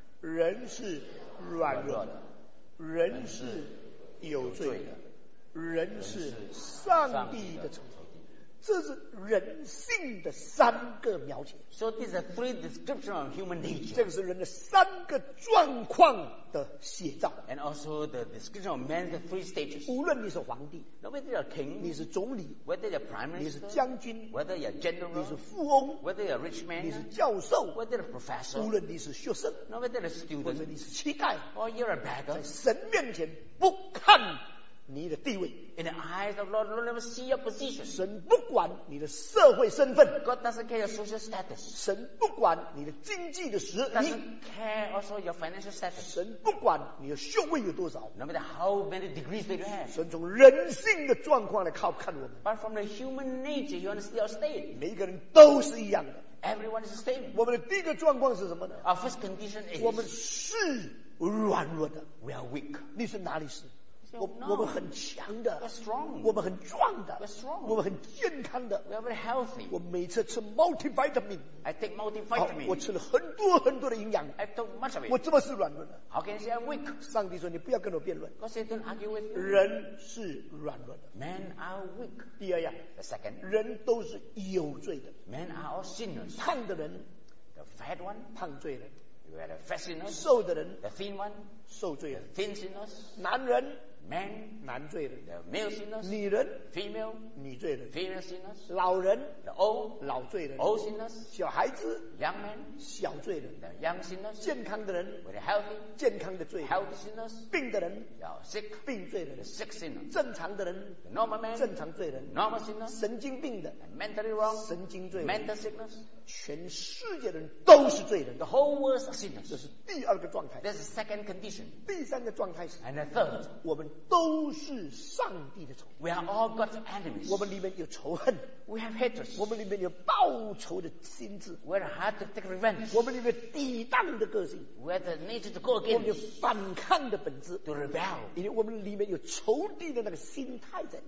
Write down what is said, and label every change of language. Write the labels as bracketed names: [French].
[Chinese] 人是软弱的，人是有罪的，人是上帝的仇敌。这是人性的三个描写。 [English] So these are three descriptions of human nature. [Chinese] 这个是人的三个状况的写照。 [English] And also the description of man's three stages. [Chinese] 无论你是皇帝 [English] ，No matter you're king， [Chinese] 你是总理 [English] ，Whether you're prime minister， [Chinese] 你是将军 [English] ，Whether you're general， [Chinese] 你是富翁 [English] ，Whether you're rich man， [Chinese] 你是教授 [English] ，Whether you're professor， [Chinese] 无论你是学生 [English] ，No matter you're student， [Chinese] 或者你是乞丐 [English] ，Or you're a beggar， [Chinese] 在神面前不看。你的地位 [English] ，In the eyes of Lord, Lord never see your position. [Chinese] 神不管你的社会身份 [English] ，God doesn't care your social status. [Chinese] 神不管你的经济的实力 [English] ，Doesn't care also your financial status. [Chinese] 神不管你的学位有多少 [English] ，No matter how many degrees that you have. [Chinese] 神从人性的状况来看我们 [English] ，But from the human nature, you understand your state. [Chinese] 每个人都是一样的 [English] ，Everyone is the same. [Chinese] 我们的第一个状况是什么呢 [English] ？Our first condition is. [Chinese] 我们是软弱的 [English] ，We are weak. [Chinese] 你是哪里是？我们很强的 [English] We're strong. [Chinese] 我们很壮的 [English] We're strong. [Chinese] 我们很健康的 [English] We're very healthy. [Chinese] 我每次吃 multivitamin [English] I take multivitamin [Chinese] 我吃了很多很多的营养 [English] I took much of it. [Chinese] 我怎么是软弱的 [English] How can you say I'm weak? [Chinese] 上帝说你不要跟我辩论 [English] God said don't argue with you. [Chinese] 人是软弱的 [English] Men are weak. [Chinese] 第二样 [English] The second [Chinese] 人都是有罪的 [English] Men are all sinners. [Chinese] 胖的人 [English] The fat one [Chinese] 胖罪人 [English] You are the fat sinner [Chinese] 瘦的人 [English] The thin one [Chinese] 瘦罪人 [English] The thin sinners [Chinese] 男人 [English] Man, [Chinese] 男罪人 [English] the male sinners, [Chinese] 女人 [English] female, [Chinese] 女罪人 [English] female sinners, [Chinese] 老人 [English] the old, [Chinese] 老罪人 [English] old sinners, [Chinese] 小孩子 [English] young man, [Chinese] 小罪人 [English] the young sinners, [Chinese] 健康的人 [English] with the healthy, [Chinese] 健康的罪人 [English] healthy sinners, [Chinese] 病的人 [English] sick, [Chinese] 病罪人 [English] the sick sinners, [Chinese] 正常的人 [English] the normal man, [Chinese] 正常罪人 [English] normal sinners, [Chinese] 神经病的 [English] and mentally wrong, [Chinese] 神经罪人 [English] mental sickness, [Chinese] 全世界的人都是罪人 [English] the whole world are sinners, [Chinese] 这是第二个状态 [English] that's the second condition, [Chinese] 第三个状态是 [English] and the third, [Chinese] 我们都是上帝的仇敌 [English] We are all God's enemies. [Chinese] 我们里面有仇恨 [English] We have hatred. [Chinese] 我们里面有报仇的心智 [English] We are hard to take revenge. [Chinese] 我们里面抵挡的个性 [English] We have the nature to go against. [Chinese] 我们有反抗的本质 [English] To rebel. [Chinese] 因为我们里面有仇敌的那个心态在